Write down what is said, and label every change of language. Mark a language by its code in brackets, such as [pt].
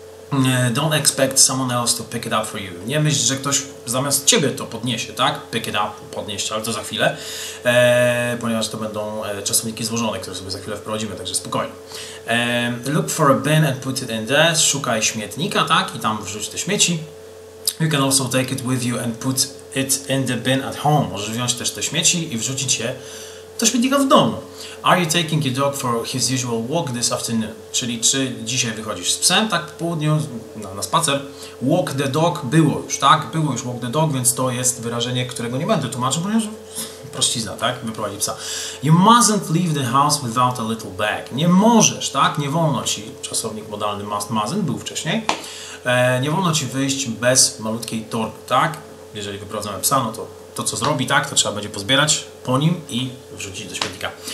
[en] Don't expect someone else to pick it up for you. [pl] Nie myśl, że ktoś zamiast ciebie to podniesie, tak? [en] Pick it up, [pl] podnieść, ale to za chwilę. Ponieważ to będą czasowniki złożone, które sobie za chwilę wprowadzimy, także spokojnie. [en] Look for a bin and put it in there. [pl] Szukaj śmietnika, tak? I tam wrzuć te śmieci. [en] You can also take it with you and put it in the bin at home. [pl] Możesz wziąć też te śmieci i wrzucić je do śmietnika w domu. [en] Are you taking your dog for his usual walk this afternoon? [pl] Czyli czy dzisiaj wychodzisz z psem, tak, po południu, na spacer? [en] Walk the dog [pl] było już, tak? Było już walk the dog, więc to jest wyrażenie, którego nie będę tłumaczył, ponieważ prościzna, tak? Wyprowadzi psa. [en] You mustn't leave the house without a little bag. [pl] Nie możesz, tak? Nie wolno ci, czasownik modalny mustn't był wcześniej, nie wolno ci wyjść bez malutkiej torby, tak? Jeżeli wyprowadzamy psa, no to to, co zrobi, tak, to trzeba będzie pozbierać po nim i wrzucić do śmietnika.